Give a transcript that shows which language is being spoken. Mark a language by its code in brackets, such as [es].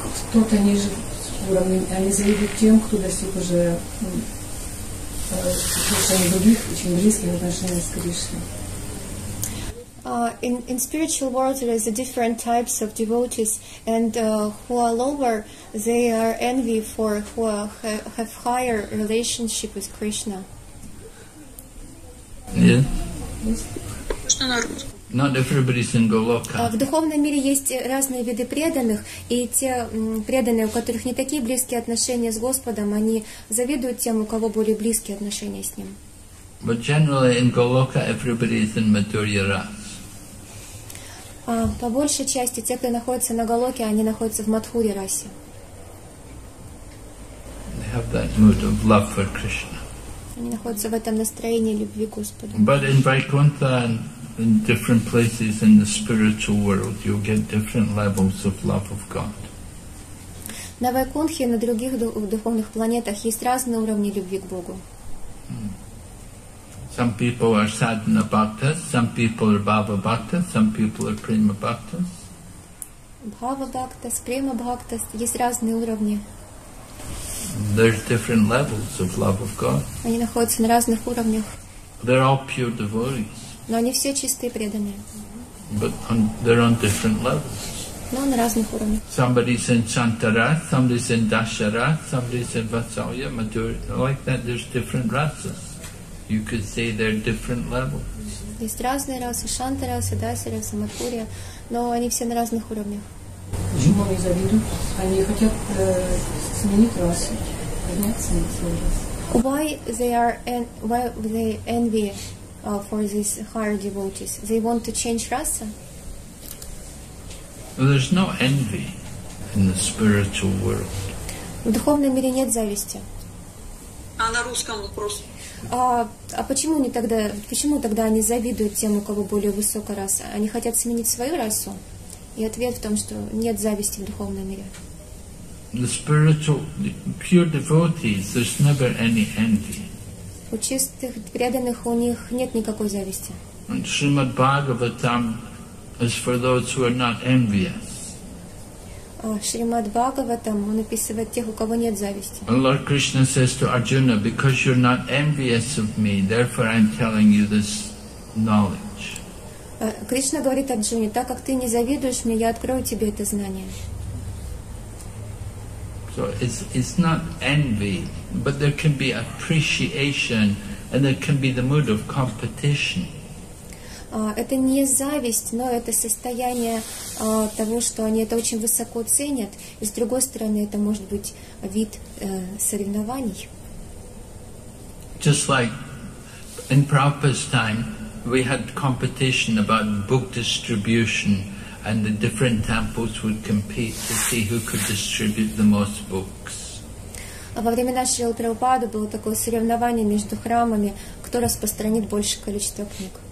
[ru] кто-то ниже уровня, они завидуют тем, кто достиг уже отношений других, очень близких отношений с Кришной. [en] In spiritual world, there is a different types of devotees, and who are lower, they are envy for who are, have higher relationship with Krishna. Yeah. Not everybody's in Goloka. [ru] В духовном мире есть разные виды преданных, и те преданные, у которых не такие близкие отношения с Господом, они завидуют тем, у кого более близкие отношения с Ним. [en] But generally in Goloka, everybody is in Madhurya Ras. [ru] По большей части те, кто находится на Голоке, они находятся в Мадхуре расе. [en] They have that mood of love for Krishna. [ru] Они находятся в этом настроении любви к Господу. [en] But in Vaikuntha and in different places in the spiritual world, you get different levels of love of God. [ru] На Вайкунтхе и на других духовных планетах есть разные уровни любви к Богу. [en] Some people are sadhana bhaktas, some people are bhava bhaktas, some people are prema bhaktas. [ru] Bhava bhaktas, prema bhaktas, есть разные уровни. [en] There's different levels of love of God. [ru] Они находятся на разных уровнях. [en] They're all pure devotees. [ru] Но они все чистые преданные. [en] But on, they're on different levels. [ru] Но на разных уровнях. [en] Somebody's in Chantaras, somebody's in Dasharas, somebody's in Vatsalya, Madhurya, like that, there's different rasas. You could say they're different levels. [ru] Есть разные расы, Шанта расы, Даси расы, Мадхурия, но они все на разных уровнях. Почему они завидуют? Они хотят сменить расы, подняться на свой расы. [en] Why they envy for these higher devotees? They want to change rasa? Well, there's no envy in the spiritual world. [ru] В духовном мире нет зависти. А на русском вопрос. Почему тогда они завидуют тем, у кого более высокая раса? Они хотят сменить свою расу? И ответ в том, что нет зависти в духовном мире. [en] The spiritual, the pure devotees, there's never any envy. [ru] У чистых преданных у них нет никакой зависти. [en] And Srimad Bhagavatam is for those who are not envious. [ru] Шримад Бхагаватам, он описывает тех, у кого нет зависти. [en] And Lord Krishna says to Arjuna, because you're not envious of me, therefore I'm telling you this knowledge. [ru] Кришна говорит Арджуне, так как ты не завидуешь мне, я открою тебе это знание. [en] So it's not envy, but there can be appreciation and there can be the mood of competition. [ru] Это не зависть, но это состояние того, что они это очень высоко ценят. И с другой стороны, это может быть вид соревнований. [en] Just like in Prabhupada's time, we had competition about book distribution, and the different temples would compete to see who could distribute the most books. [ru] Во времена Шрилы Прабхупады было такое соревнование между храмами, кто распространит большее количество книг.